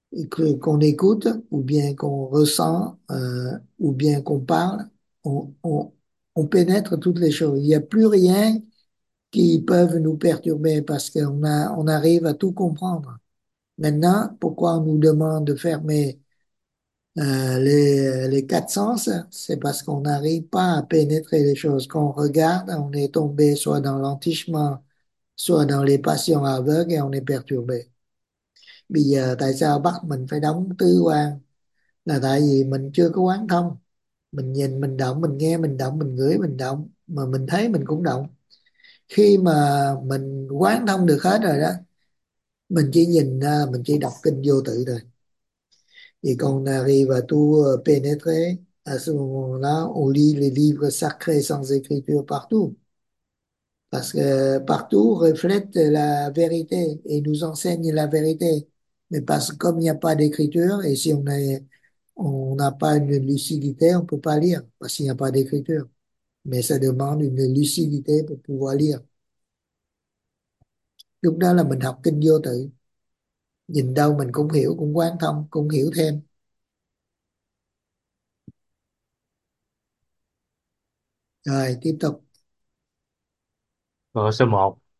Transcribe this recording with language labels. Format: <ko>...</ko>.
<fr>Qu'on écoute, ou bien qu'on ressent, ou bien qu'on parle, on pénètre toutes les choses. Il n'y a plus rien qui peut nous perturber parce qu'on arrive à tout comprendre. Maintenant, pourquoi on nous demande de fermer les quatre sens? C'est parce qu'on n'arrive pas à pénétrer les choses. Quand on regarde, on est tombé soit dans l'entichement, soit dans les passions aveugles et on est perturbé.</fr> <vi>Bây giờ tại sao bắt mình phải đóng tứ quan? Là tại vì mình chưa có quán thông. Mình nhìn, mình động, mình nghe, mình động, mình ngửi, mình động. Mà mình thấy mình cũng động. Khi mà mình quán thông được hết rồi đó, mình chỉ nhìn, mình chỉ đọc kinh vô tự thôi.</vi> <fr>Vì con Nari và tu pénétrer, à ce moment-là, on lit les livres sacrés sans écriture partout. Parce que partout reflète la vérité et nous enseigne la vérité. Mais parce que comme il n'y a pas d'écriture, et si on n'a pas une lucidité, on ne peut pas lire, parce qu'il n'y a pas d'écriture. Mais ça demande une lucidité pour pouvoir lire.</fr> <vi>Lúc đó là mình học kinh vô tự. Nhìn đâu mình cũng hiểu, cũng quán thông, cũng hiểu thêm. Rồi, tiếp tục. Câu số 1.</vi>